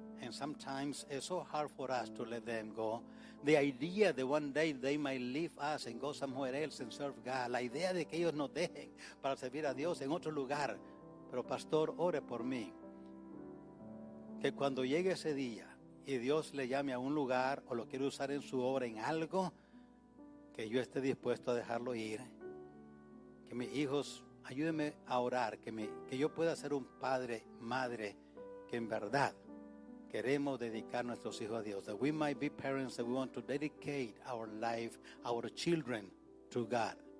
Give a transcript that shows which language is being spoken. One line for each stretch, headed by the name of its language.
English: And sometimes it's so hard for us to let them go. The idea that one day they might leave us and go somewhere else and serve God.
Spanish: La idea de que ellos nos dejen para servir a Dios en otro lugar. Pero Pastor, ore por mí. Que cuando llegue ese día y Dios le llame a un lugar o lo quiere usar en su obra en algo, que yo esté dispuesto a dejarlo ir. Que mis hijos, ayúdenme a orar. Que yo pueda ser un padre, madre, que en verdad queremos dedicar nuestros hijos a Dios.
English: That we might be parents that we want to dedicate our life, our children to God.